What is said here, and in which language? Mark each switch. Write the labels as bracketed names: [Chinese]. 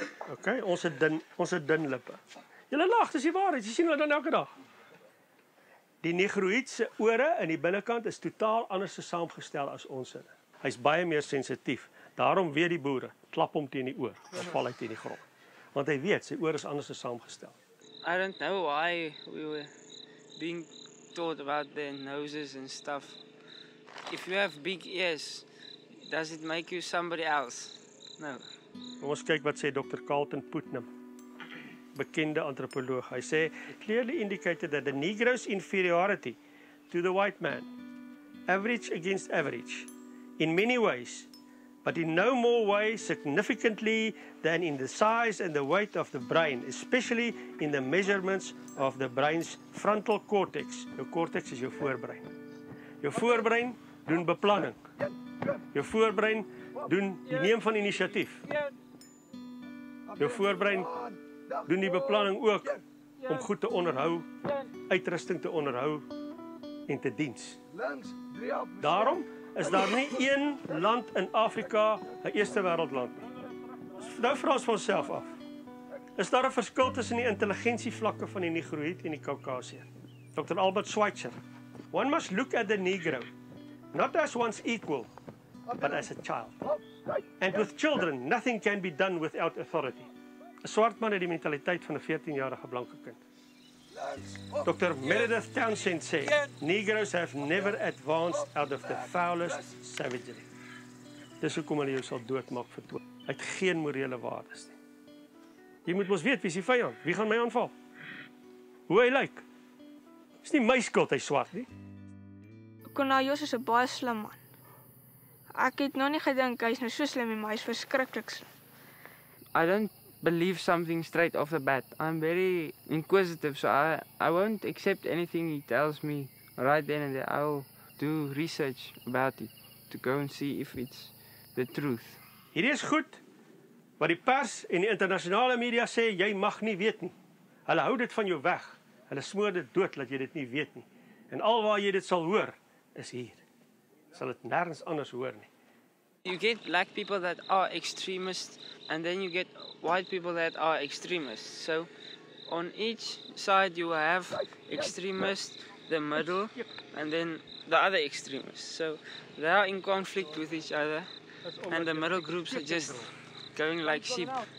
[Afrikaans] Ok, ons het dun lippe. Julle lag, dis die waarheid, jy sien hulle dan elke dag. Die negroïdse ore in die binnenkant is totaal anders saamgestel as ons. Hy is baie meer sensitief, daarom weet die boere, klap om teen die oor, dan val hy teen die grond. Want hy weet, sy oor is anders saamgestel. [English] I don't know why we were being taught about their noses and stuff. If you have big ears, does it make you somebody else? No. [Afrikaans] Ons kyk wat sê Dr. Carlton Putnam, bekende antropoloog. Hy sê, [English] it clearly indicated that the Negro's inferiority to the white man, average against average, in many ways, but in no more way significantly than in the size and the weight of the brain, especially in the measurements of the brain's frontal cortex. [Afrikaans] Jou cortex is jou voorbrein. Jou voorbrein doen beplanning. Jou voorbrein doen die neem van initiatief. Jou voorbrein doen die beplanning ook om goed te onderhou, uitrusting te onderhou en te diens. Daarom is daar nie een land in Afrika, een eerste wereldland. Nou vra ons vanzelf af. Is daar een verskil tussen die intelligentievlakke van die Negroïd en die Kaukasier? Dr. Albert Schweitzer. [English] One must look at the Negro, not as one's equal, but as a child. And with children, nothing can be done without authority. [Afrikaans] Een swart man het die mentaliteit van een 14-jarige blanke kind. [English] Dr. Meredith Townsend [Afrikaans] sê, [English] Negroes have never advanced out of the foulest savagery. [Afrikaans] Dis hoekom hulle jou sal doodmaak vir dood. Hy het geen morele waardes nie. Jy moet mos weet, wie is die vijand? Wie gaan my aanval? Hoe hy lyk? Is nie my skuld, hy swart nie. Kona Jos is 'n baie slim man. Ek het nog nie gedink, hy is nou so slim, maar hy is verskriklik slim. [English] I don't believe something straight off the bat. I'm very inquisitive, so I won't accept anything he tells me right then and there. I'll do research about it to go and see if it's the truth. [Afrikaans] Hier is goed, wat die pers en die internationale media sê, jy mag nie weet nie. Hulle hou dit van jou weg. Hulle smoor dit dood dat jy dit nie weet nie. En al waar jy dit sal hoor, is hier. Sal het nergens anders hoor nie. [English] You get black people that are extremists, and then you get white people that are extremists. So, on each side you have extremists, the middle, and then the other extremists. So, they are in conflict with each other, and the middle groups are just going like sheep.